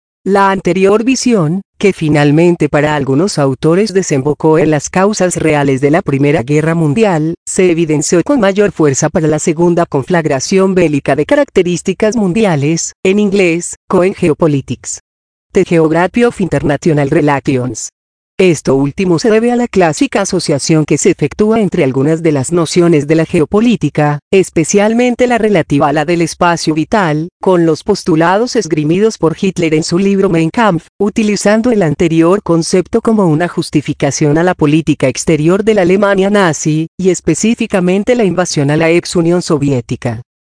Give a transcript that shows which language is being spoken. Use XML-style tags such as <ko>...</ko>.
<es>La anterior visión, que finalmente para algunos autores desembocó en las causas reales de la Primera Guerra Mundial, se evidenció con mayor fuerza para la segunda conflagración bélica de características mundiales, en inglés, Cohen Geopolitics.</es> <en>The Geography of International Relations.</en> <es>Esto último se debe a la clásica asociación que se efectúa entre algunas de las nociones de la geopolítica, especialmente la relativa a la del espacio vital, con los postulados esgrimidos por Hitler en su libro Mein Kampf, utilizando el anterior concepto como una justificación a la política exterior de la Alemania nazi, y específicamente la invasión a la ex Unión Soviética.</es>